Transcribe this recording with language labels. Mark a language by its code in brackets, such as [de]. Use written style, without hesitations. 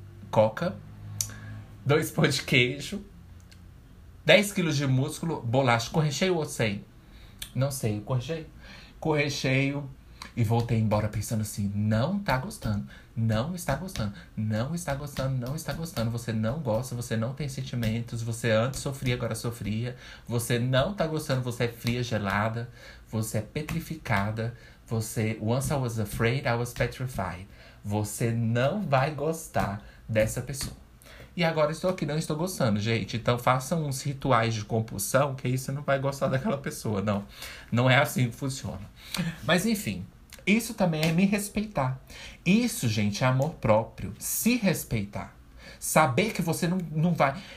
[pt] Coca, 2 pães de queijo. 10 quilos de músculo, bolacha, com recheio ou sem? Não sei, com recheio. Com recheio. E voltei embora pensando assim, não tá gostando. Não está gostando. Não está gostando, não está gostando. Você não gosta, você não tem sentimentos. Você antes sofria, agora sofria. Você não tá gostando, você é fria, gelada. Você é petrificada. Você, [en] once I was afraid, I was petrified. [pt] Você não vai gostar dessa pessoa. E agora estou aqui, não estou gostando, gente. Então façam uns rituais de compulsão, que aí você não vai gostar daquela pessoa, não. Não é assim que funciona. Mas enfim, isso também é me respeitar. Isso, gente, é amor próprio. Se respeitar. Saber que você não vai...